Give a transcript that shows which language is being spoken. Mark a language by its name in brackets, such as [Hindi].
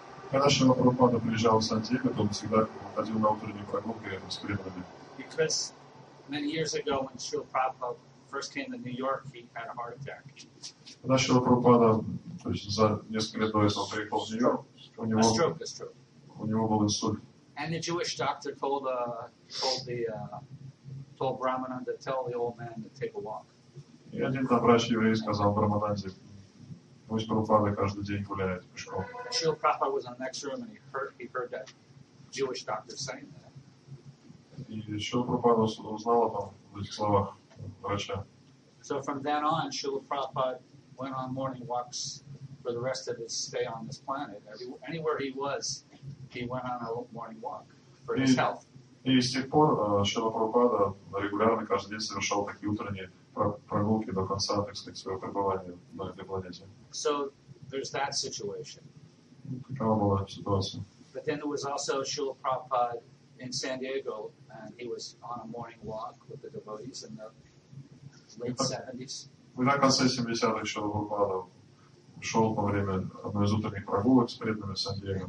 [Russian] Когда Шрила Прабхупада приезжал в Сан-Диего, то он всегда ходил на утренние прогулки с преданными. [English] Because many years ago, when Srila Prabhupada first came to New York, he had a heart attack. [Russian] Когда Шрила Прабхупада, то есть за несколько лет до этого приехал в Нью-Йорк, у него был инсульт. [English] And the Jewish doctor told Brahmananda to tell the old man to take a walk. [Russian] И один там врач еврей сказал Брамананде, пусть Прабхупада каждый день гуляет пешком. [English] Srila Prabhupada was in the next room and he heard that Jewish doctor saying that. [Russian] И Srila Prabhupada узнал об этих словах врача. [English] So from then on, Srila Prabhupada went on morning walks for the rest of his stay on this planet. Anywhere he was, he went on a morning walk for his health. [Russian] И с тех пор Шрила Прабхупада регулярно каждый день совершал такие утренние прогулки до конца, так сказать, своего пребывания на этой планете. [English] So there's that situation. [Russian] Такова была ситуация. [English] But then there was also Srila Prabhupada in San Diego, and he was on a morning walk with the devotees in the late 70s. [Russian] И на конце 70-х Шрила Прабхупада шел во время одной из утренних прогулок с преданными в Сан-Диего.